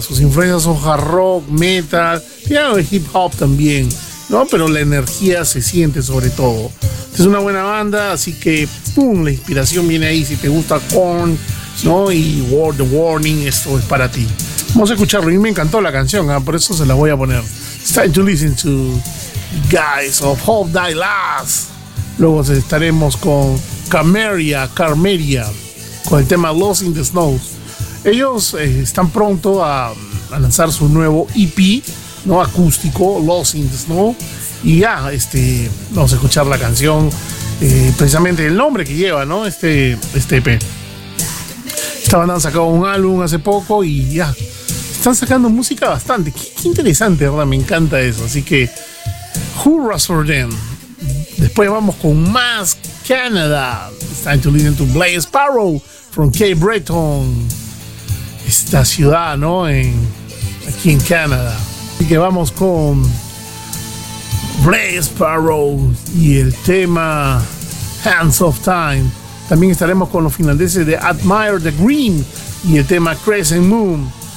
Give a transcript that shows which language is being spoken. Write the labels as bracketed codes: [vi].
[es] Sus influencias son hard rock, metal, y hip hop también, ¿no? Pero la energía se siente sobre todo. Es una buena banda, así que ¡pum! La inspiración viene ahí. Si te gusta Korn, ¿no? Y The Warning, esto es para ti. Vamos a escucharlo. A mí me encantó la canción, ¿eh? Por eso se la voy a poner. [en] It's time to listen to Guys of Hope Die Last. [es] Luego estaremos con Carmeria, con el tema Lost in the Snows. Ellos están pronto a lanzar su nuevo EP, ¿no? Acústico, Lost in the Snow. Y ya, vamos a escuchar la canción, precisamente el nombre que lleva, ¿no? Este EP. Estaban sacando un álbum hace poco y ya. Están sacando música bastante. Qué interesante, ¿verdad? Me encanta eso. Así que, [en] hurrah for them. [es] Después vamos con más Canadá. [en] It's time to listen to Blaise Sparrow from Cape Breton. [es] Esta ciudad, ¿no? Aquí en Canadá. Así que vamos con Blaise Sparrow y el tema Hands of Time. También estaremos con los finlandeses de Admire the Green y el tema Crescent Moon.